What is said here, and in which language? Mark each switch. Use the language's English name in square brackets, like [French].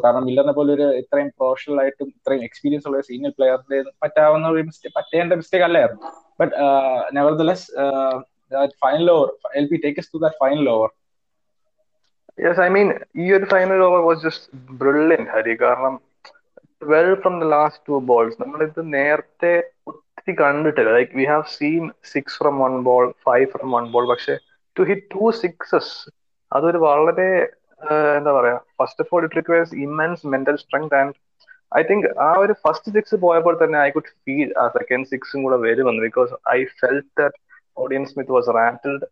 [Malayalam] കാരണം മില്ലറിനെ പോലെ ഒരു ഇത്രയും പ്രൊഫഷണൽ ആയിട്ടും ഇത്രയും എക്സ്പീരിയൻസ് ഉള്ള സീനിയർ പ്ലെയറിന്റെ പറ്റാവുന്ന ഒരു മിസ്റ്റേക്ക്, പറ്റേണ്ട മിസ്റ്റേക്ക് അല്ലായിരുന്നു. [English] But nevertheless, that final over, LP, take us to that final over. Yes, I mean, your final over was just brilliant, Hari. Because 12 from the last two balls, we have seen the same thing. Like, we have seen 6 from one ball, 5 from one ball. But to hit 2 sixes, that's very, first of all, it requires immense mental strength and I think [Malayalam] ആ ഒരു first six പോയപ്പോൾ തന്നെ [English] I could feel [Malayalam] ആ second സിക്സും കൂടെ വരുമെന്ന്. [English] Because I felt that Odean Smith was rattled.